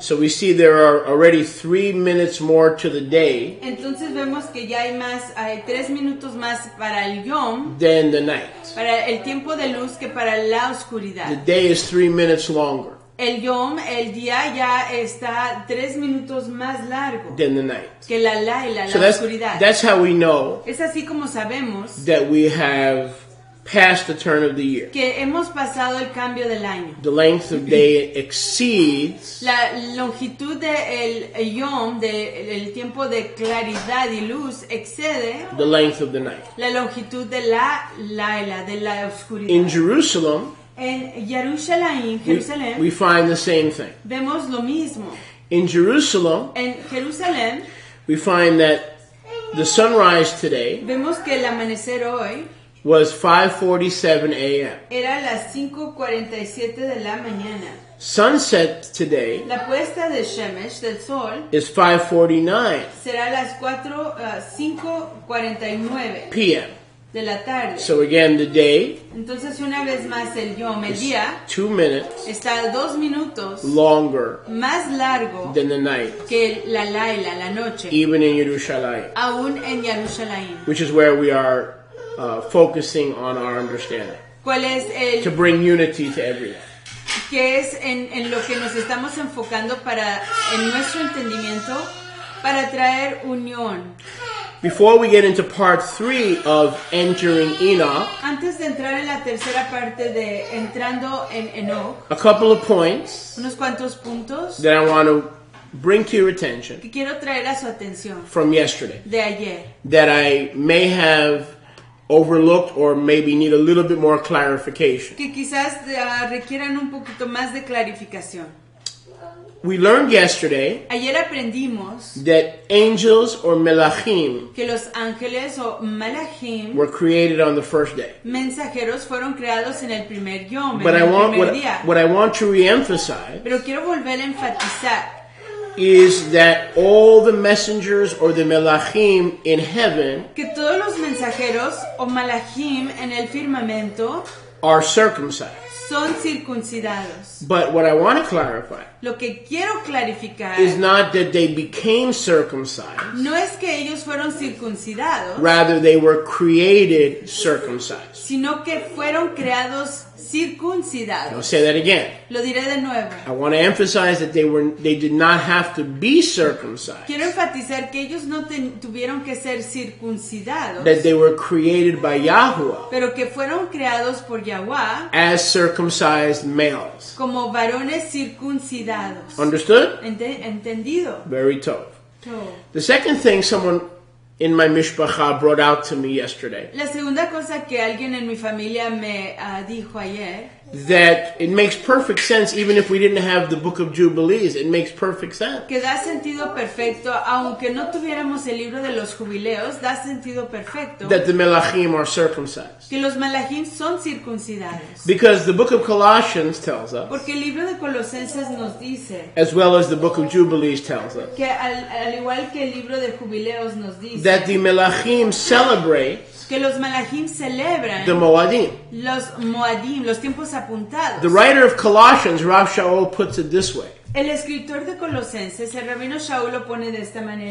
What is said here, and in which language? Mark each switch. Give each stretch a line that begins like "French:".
English: So we see there are already 3 minutes more to the day.
Spanish: Entonces vemos que ya hay 3 minutos más para el Yom.
English: Than the night.
Spanish: Para el tiempo de luz que para la oscuridad.
English: The day is 3 minutes longer.
Spanish: El Yom, el día ya está 3 minutos más largo.
English: Than the night.
Spanish: Que la
English: so
Spanish: oscuridad.
English: That's how we know.
Spanish: Es así como sabemos.
English: That we have past the turn of the year.
Spanish: Que hemos pasado el cambio del año.
English: The length of day exceeds.
Spanish: La longitud del yom, del tiempo de claridad y luz, excede.
English: The length of the night.
Spanish: La longitud de la laila, de la oscuridad.
English: In Jerusalem.
Spanish: En Jerusalén, Jerusalén.
English: We find the same thing.
Spanish: Vemos lo mismo.
English: In Jerusalem.
Spanish: En Jerusalén.
English: We find that the sunrise today.
Spanish: Vemos que el amanecer hoy.
English: Was 5:47 a.m.
Spanish: Era las 5:47 de la mañana.
English: Sunset today.
Spanish: La puesta de Shemesh, del sol.
English: Is 5:49.
Spanish: Será las 5:49
English: p.m.
Spanish: de la tarde.
English: So again, the day.
Spanish: Entonces una vez más el yom, el día.
English: 2 minutes.
Spanish: Está 2 minutos.
English: Longer.
Spanish: Más largo.
English: Than the night.
Spanish: Que la laila, la noche.
English: Even in Yerushalayim.
Spanish: Aún en Yerushalayim.
English: Which is where we are focusing on our understanding.
Spanish: ¿Cuál es el?
English: To bring unity to everyone.
Spanish: Que es en lo que nos estamos enfocando para en nuestro entendimiento para traer unión.
English: Before we get into part 3 of entering Enoch,
Spanish: antes de entrar en la tercera parte de entrando en Enoch,
English: a couple of points,
Spanish: unos cuantos puntos
English: that I want to bring to your attention,
Spanish: que quiero traer a su atención
English: from yesterday,
Spanish: de ayer,
English: that I may have overlooked or maybe need a little bit more clarification.
Spanish: Que quizás requieran un poquito más de clarificación.
English: We learned yesterday,
Spanish: ayer aprendimos,
English: that angels or melachim,
Spanish: que los ángeles o melachim,
English: were created on the first day.
Spanish: Mensajeros fueron creados en el primer yom,
English: but
Spanish: en
English: I
Spanish: el
English: want,
Spanish: primer
English: what,
Spanish: día.
English: What I want to reemphasize,
Spanish: pero quiero volver a enfatizar,
English: is that all the messengers or the melachim in heaven,
Spanish: que todos los mensajeros o melachim en el firmamento,
English: are circumcised.
Spanish: Son circuncidados.
English: But what I want to clarify,
Spanish: lo que quiero clarificar,
English: is not that they became circumcised.
Spanish: No es que ellos fueron circuncidados.
English: Rather, they were created circumcised.
Spanish: Sino que fueron creados circuncidados.
English: I'll say that again.
Spanish: Lo diré de nuevo.
English: I want to emphasize that they did not have to be circumcised.
Spanish: Quiero enfatizar que ellos no tuvieron que ser circuncidados.
English: That they were created by Yahuwah.
Spanish: Pero que fueron creados por Yahuwah.
English: As circumcised males.
Spanish: Como varones circuncidados.
English: Understood?
Spanish: Entendido.
English: Very tough. The second thing someone in my mishpacha brought out to me yesterday,
Spanish: la segunda cosa que alguien en mi familia me dijo ayer,
English: that it makes perfect sense even if we didn't have the Book of Jubilees. It makes perfect sense.
Spanish: Que da sentido perfecto aunque no tuviéramos el libro de los jubileos. Da sentido perfecto.
English: That the melachim are circumcised.
Spanish: Que los melachim son circuncidados.
English: Because the Book of Colossians tells us.
Spanish: Porque el libro de Colosenses nos dice.
English: As well as the Book of Jubilees tells us.
Spanish: Que al igual que el libro de jubileos nos dice.
English: That the melachim celebrate.
Spanish: Que los melachim celebran.
English: The moadim.
Spanish: Los moadim, los tiempos.
English: The writer of Colossians, Rav Shaul, puts it this way.
Spanish: El escritor de Colosenses, el rabino Shaul, lo pone de esta manera.